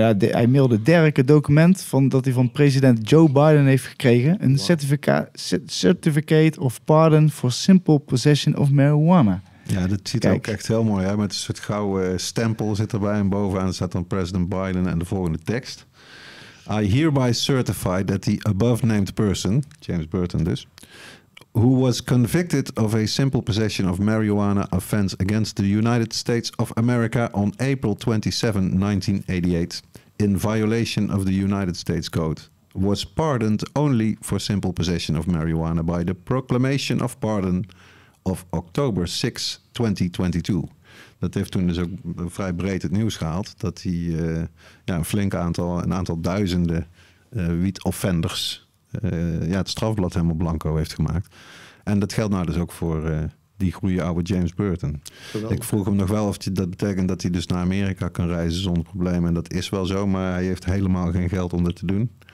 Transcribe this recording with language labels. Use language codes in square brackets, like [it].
[nl] Hij mailde Derek het document van dat hij van president Joe Biden heeft gekregen. Een [en] certificate of pardon for simple possession of marijuana. [nl] Ja, dat ziet er ook echt heel mooi uit. Met een soort gouden stempel zit erbij. En bovenaan staat dan President Biden en de volgende tekst. [en] I hereby certify that the above named person, James Burton dus, who was convicted of a simple possession of marijuana offense against the United States of America on April 27, 1988, in violation of the United States Code, was pardoned only for simple possession of marijuana by the proclamation of pardon of October 6, 2022. [nl] Dat heeft toen dus ook vrij breed het nieuws gehaald, dat hij een aantal duizenden wietoffenders het strafblad helemaal blanco heeft gemaakt. En dat geldt nou dus ook voor die goede oude James Burton. Geweldig. Ik vroeg hem nog wel of dat betekent dat hij dus naar Amerika kan reizen zonder problemen. En dat is wel zo, maar hij heeft helemaal geen geld om dat te doen.